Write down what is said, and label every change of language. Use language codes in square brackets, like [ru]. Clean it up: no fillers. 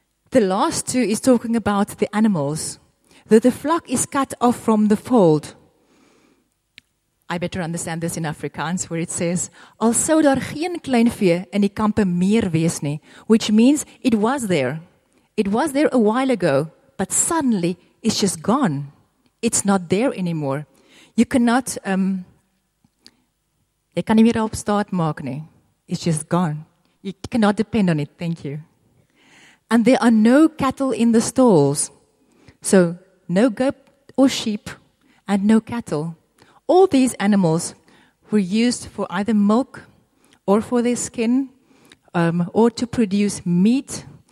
[en] The last two is talking about the animals. Though the flock is cut off from the fold, I better understand this in Afrikaans, where it says, [af] Al sou daar geen klein vee in die kampe meer wees nie, [en] which means it was there. It was there a while ago, but suddenly it's just gone. It's not there anymore. You cannot, [af] jy kan nie meer op staat maak nie. [en] It's just gone. You cannot depend on it. Thank you. And there are no cattle in the stalls. So no goat or sheep and no cattle. All these animals were used for either milk or for their skin or to produce meat.